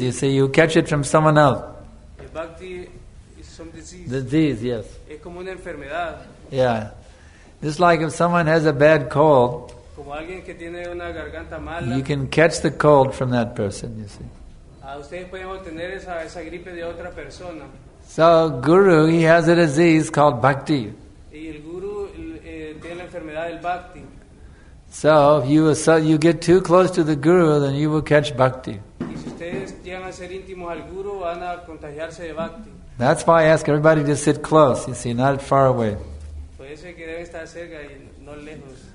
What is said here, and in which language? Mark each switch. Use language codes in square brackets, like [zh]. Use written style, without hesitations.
[en] You say you catch it from someone else. El bhakti is some disease. Disease, yes. [es] Es como una enfermedad. [en] Yeah. It's like if someone has a bad cold. [es] Como alguien que tiene una garganta mala, [en] you can catch the cold from that person, you see. [es] Ustedes pueden obtener esa gripe de otra persona. [en] So Guru, he has a disease called bhakti. [es] Y el guru tiene la enfermedad del bhakti. [en] So if you you get too close to the guru, then you will catch bhakti. [es] Y si ustedes llegan a ser íntimos al guru, van a contagiarse de bhakti. [en] That's why I ask everybody to sit close, you see, not far away. [es] Por eso es que debe estar cerca y no lejos.